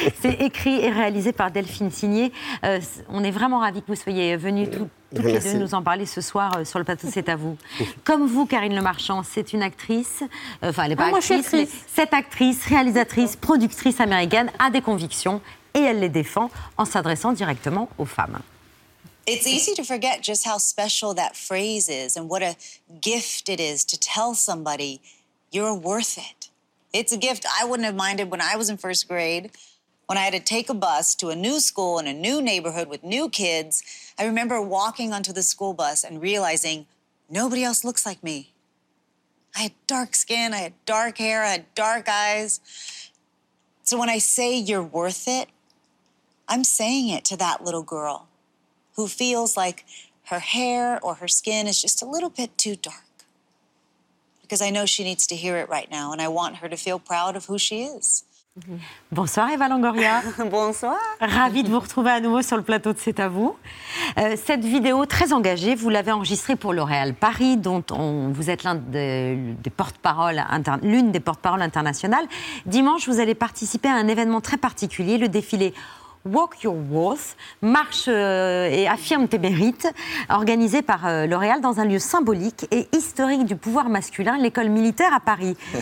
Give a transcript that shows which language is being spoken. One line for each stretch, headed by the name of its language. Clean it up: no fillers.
French: C'est écrit et réalisé par Delphine Signé. On est vraiment ravis que vous soyez venus toutes les deux nous en parler ce soir sur le plateau C'est à vous. Comme vous, Karine Lemarchand, c'est une actrice. Enfin, elle n'est pas actrice. Mais cette actrice, réalisatrice, productrice américaine a des convictions. Et elle les défend en s'adressant directement aux femmes.
English: It's easy to forget just how special that phrase is and what a gift it is to tell somebody you're worth it. It's a gift I wouldn't have minded when I was in first grade, when I had to take a bus to a new school in a new neighborhood with new kids. I remember walking onto the school bus and realizing nobody else looks like me. I had dark skin, I had dark hair, I had dark eyes. So when I say you're worth it, I'm saying it to that little girl who feels like her hair or her skin is just a little bit too dark. Because I know she needs to hear it right now and I want her to feel proud of who she is.
French: Bonsoir Eva Longoria. Bonsoir. Ravie de vous retrouver à nouveau sur le plateau de C'est à vous. Cette vidéo très engagée, vous l'avez enregistrée pour L'Oréal Paris, dont vous êtes l'une des porte-paroles internationales. Dimanche, vous allez participer à un événement très particulier, le défilé Walk Your Worth, marche et affirme tes mérites, organisé par L'Oréal dans un lieu symbolique et historique du pouvoir masculin, l'école militaire à Paris.